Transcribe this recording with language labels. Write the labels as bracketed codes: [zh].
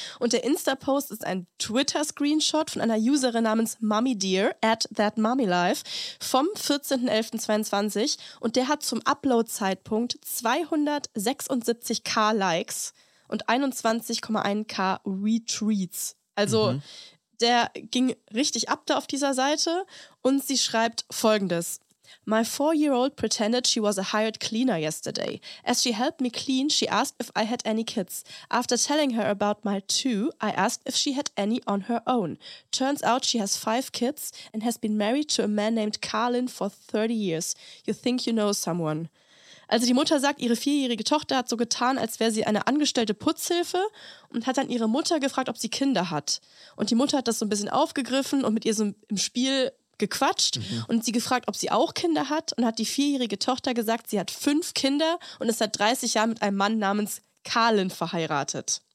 [de] Und der Insta-Post ist ein Twitter-Screenshot von einer Userin namens MummyDear, @thatmummylife, vom 14.11.22. Und der hat zum Upload-Zeitpunkt 276.000 Likes und 21.1k Retweets. Also, der ging richtig ab da auf dieser Seite und sie schreibt folgendes. [en] My 4-year-old pretended she was a hired cleaner yesterday. As she helped me clean, she asked if I had any kids. After telling her about my 2, I asked if she had any on her own. Turns out she has 5 kids and has been married to a man named Carlin for 30 years. You think you know someone. [de] Also die Mutter sagt, ihre vierjährige Tochter hat so getan, als wäre sie eine angestellte Putzhilfe und hat dann ihre Mutter gefragt, ob sie Kinder hat. Und die Mutter hat das so ein bisschen aufgegriffen und mit ihr so im Spiel gequatscht und sie gefragt, ob sie auch Kinder hat und hat die vierjährige Tochter gesagt, sie hat 5 Kinder und ist seit 30 Jahren mit einem Mann namens Karlen verheiratet.